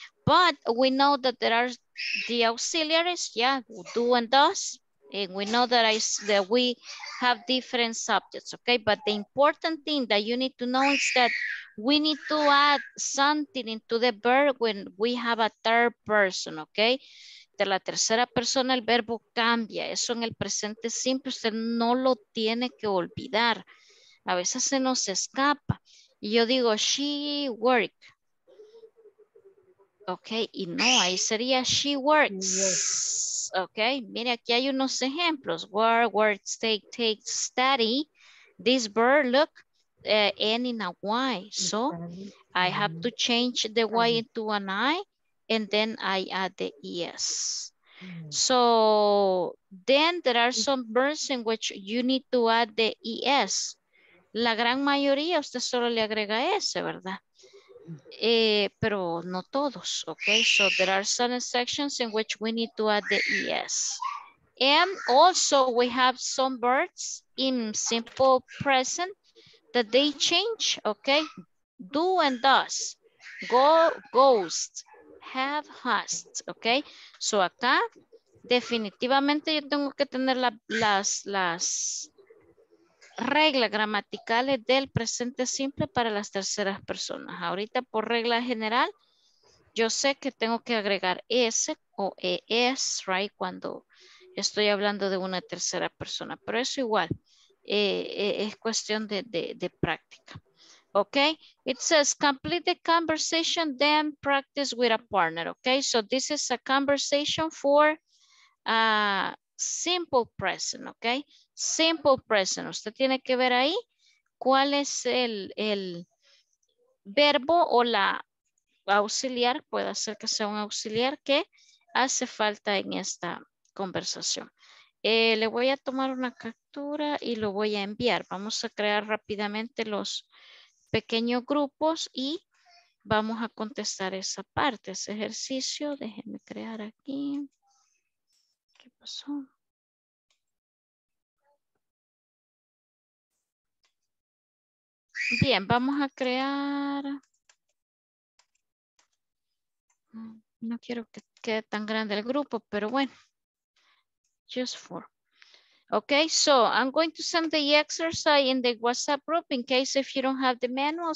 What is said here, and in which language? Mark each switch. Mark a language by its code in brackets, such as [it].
[en] But we know that there are the auxiliaries, yeah, do and does. And we know that we have different subjects, okay? But the important thing that you need to know is that we need to add something into the verb when we have a third person, okay? [es] De la tercera persona, el verbo cambia. Eso en el presente simple, usted no lo tiene que olvidar. A veces se nos escapa. Y yo digo, [en] she work. [es] Okay, y no, ahí sería [en] she works. [es] Okay, mire, aquí hay unos ejemplos. [en] Work, work, take, take, study. This verb, look, and in a Y. So I have to change the Y into an I. And then I add the ES. So then there are some verbs in which you need to add the ES. [es] La gran mayoría, usted solo le agrega S, ¿verdad? Pero no todos, okay? [en] So there are some sections in which we need to add the ES. And also we have some verbs in simple present that they change, okay? Do and does, go, ghost, have, hast, okay? [es] So acá, definitivamente yo tengo que tener las reglas gramaticales del presente simple para las terceras personas. Ahorita por regla general, yo sé que tengo que agregar S o ES, right? Cuando estoy hablando de una tercera persona, pero eso igual, es cuestión de práctica. [en] Okay, it says complete the conversation, then practice with a partner. Okay, so this is a conversation for simple present. Okay, simple present. [es] Usted tiene que ver ahí cuál es el verbo o la auxiliar, puede ser que sea un auxiliar que hace falta en esta conversación. Le voy a tomar una captura y lo voy a enviar. Vamos a crear rápidamente los pequeños grupos y vamos a contestar esa parte, ese ejercicio. Déjenme crear aquí. ¿Qué pasó? Bien, vamos a crear. No quiero que quede tan grande el grupo, pero bueno. [en] Just for. Okay, so I'm going to send the exercise in the WhatsApp group in case if you don't have the manual.